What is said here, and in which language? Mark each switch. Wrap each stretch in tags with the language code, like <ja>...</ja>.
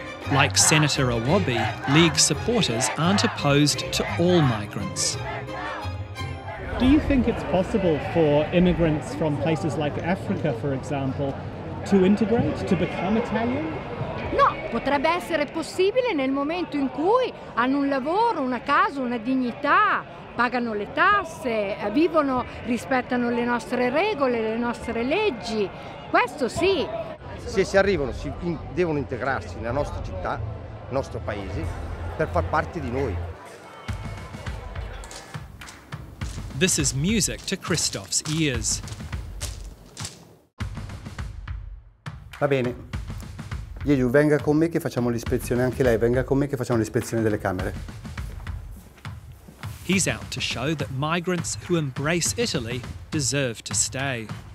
<en>Like Senator Awobi, League supporters aren't opposed to all migrants. Do you think it's possible for immigrants from places like Africa, for example, to integrate, to become Italian?</en> <it>No, potrebbe essere possibile nel momento in cui hanno un lavoro, una casa, una dignità, pagano le tasse, vivono, rispettano le nostre regole, le nostre leggi. Questo sì. Se si arrivano, devono integrarsi nella nostra città, nel nostro paese, per far parte di noi.</it> <en>This is music to Christoph's ears.</en> <it>Va bene. Yeju, venga con me che facciamo l'ispezione. Anche lei, venga con me che facciamo l'ispezione delle camere.</it> <en>He's out to show that migrants who embrace Italy deserve to stay.</en>